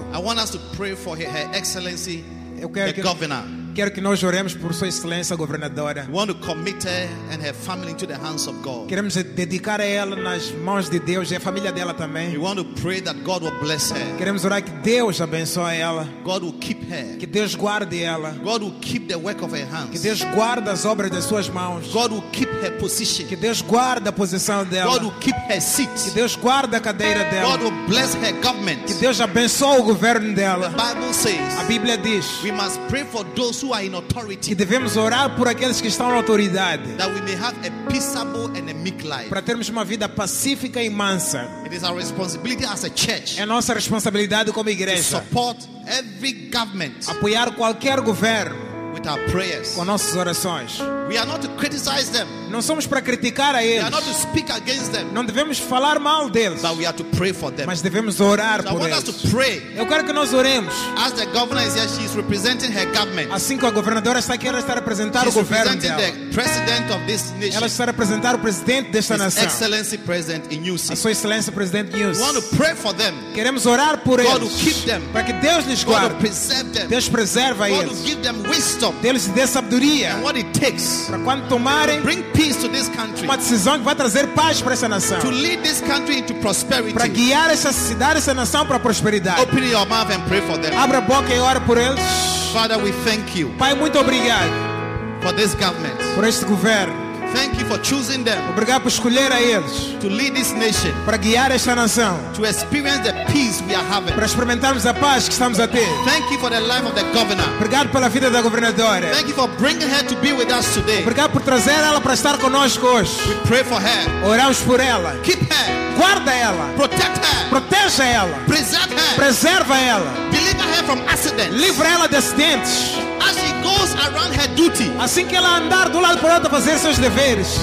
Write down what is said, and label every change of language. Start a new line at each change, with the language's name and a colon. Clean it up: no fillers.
English: I want us to pray for Her Excellency, the governor.
Portuguese: Quero que nós oremos por Sua Excelência Governadora.
English: We want to commit her and her family into the hands of God.
Portuguese: Queremos dedicar a ela nas mãos de Deus e a família dela também.
English: We want to pray that God will bless her.
Portuguese: Queremos orar que Deus abençoe ela.
English: God will keep her.
Portuguese: Que Deus guarde ela.
English: God will keep the work of her hands.
Portuguese: Que Deus guarde as obras das suas mãos.
English: God will keep her position.
Portuguese: Que Deus guarde a posição dela.
English: God will keep her seat.
Portuguese: Que Deus guarde a cadeira dela.
English: God will bless her government.
Portuguese: Que Deus abençoe o governo dela.
English: The Bible says.
Portuguese: A Bíblia diz.
English: We must pray for those who are in authority.
Portuguese: Que devemos orar por aqueles que estão na autoridade.
English: That we may have a peaceable and a meek life.
Portuguese: Para termos uma vida pacífica e mansa.
English: It is our responsibility as a church.
Portuguese: É nossa responsabilidade como igreja.
English: To support every government.
Portuguese: Apoiar qualquer governo.
English: With our prayers.
Portuguese: Com nossas orações.
English: We are not to criticize them.
Portuguese: Não somos para criticar a eles.
English: We are not to speak against them.
Portuguese: Não devemos falar mal deles.
English: But we are to pray for them.
Portuguese: Mas devemos orar
English: so
Portuguese: por
English: I want
Portuguese: eles.
English: Us to pray.
Portuguese: Eu quero que nós oremos.
English: As the governor is here, she is representing her government.
Portuguese: Assim que a governadora está aqui, ela está representando o governo dela.
English: She is representing the president of this nation.
Portuguese: Ela está a representar o presidente desta nação.
English: His Excellency President Inyusi.
Portuguese: A sua excelência presidente Inyusi.
English: We want to pray for them.
Portuguese: Queremos orar por eles.
English: God will keep them.
Portuguese: Para que Deus lhes guarde.
English: God will preserve them.
Portuguese: Deus preserva eles.
English: God will give them wisdom.
Portuguese: Deus dê sabedoria.
English: And what it takes.
Portuguese: Para quando tomarem.
English: Bring peace to this country.
Portuguese: Uma decisão que vai trazer paz para essa nação.
English: To lead this country into prosperity.
Portuguese: Para guiar essa cidade, essa nação para a prosperidade.
English: Open your mouth and pray for them.
Portuguese: Abra a boca e ore por eles.
English: Father, we thank you.
Portuguese: Pai, muito obrigado.
English: For this government.
Portuguese: Por este governo.
English: Thank you for choosing them.
Portuguese: Obrigado por escolher a eles.
English: To lead this nation.
Portuguese: Para guiar esta nação.
English: To experience the peace we are having.
Portuguese: Para experimentarmos a paz que estamos a ter.
English: Thank you for the life of the governor.
Portuguese: Obrigado pela vida da governadora.
English: Thank you for bringing her to be with us today.
Portuguese: Obrigado por trazer ela para estar conosco hoje.
English: We pray for her.
Portuguese: Oramos por ela.
English: Keep her.
Portuguese: Guarda ela.
English: Protect her.
Portuguese: Proteja ela.
English: Preserve her.
Portuguese: Preserva ela.
English: Deliver her from accidents.
Portuguese: Livra ela de acidentes.
English: As she goes around her duty.
Portuguese: Assim que ela andar do lado para outro fazer seus deveres.